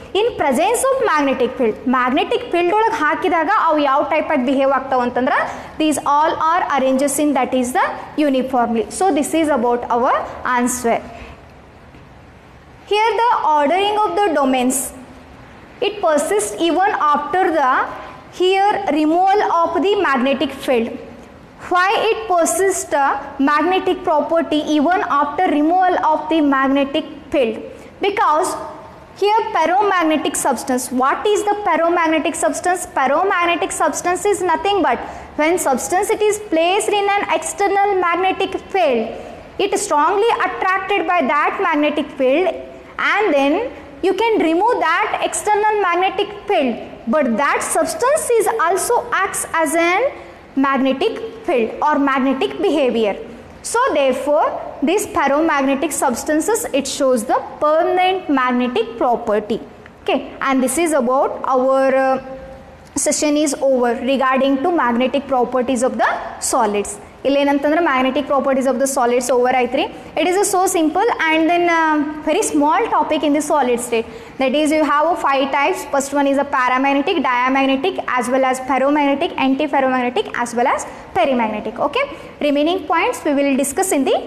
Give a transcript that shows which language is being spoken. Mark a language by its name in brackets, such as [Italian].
[Kannada] In presence of magnetic field, magnetic field ಒಳಗೆ ಹಾಕಿದಾಗ ಅವು ಯಾವ ಟೈಪ್ ಆಗಿ ಬಿಹೇವ್ ಆಗ್ತಾವ ಅಂತಂದ್ರೆ [English] These all are arranges in that is the uniformly. So this is about our answer. Here the ordering of the domains it persist even after the here removal of the magnetic field. Why it persists a magnetic property even after removal of the magnetic field? Because here ferromagnetic substance, what is the ferromagnetic substance? Ferromagnetic substance is nothing but when substance it is placed in an external magnetic field, it is strongly attracted by that magnetic field, and then you can remove that external magnetic field, but that substance is also acts as an magnetic field or magnetic behavior. So therefore this ferromagnetic substances, it shows the permanent magnetic property. Okay, and this is about our session is over regarding to magnetic properties of the solids. ಇಲ್ಲೇನಂತಂದ್ರೆ magnetic properties of the solids over ಆಯ್ತ್ರಿ. It is a so simple and then very small topic in the solid state. That is you have a five types. First one is a paramagnetic, diamagnetic as well as ferromagnetic, antiferromagnetic as well as ferrimagnetic. Okay, remaining points we will discuss in the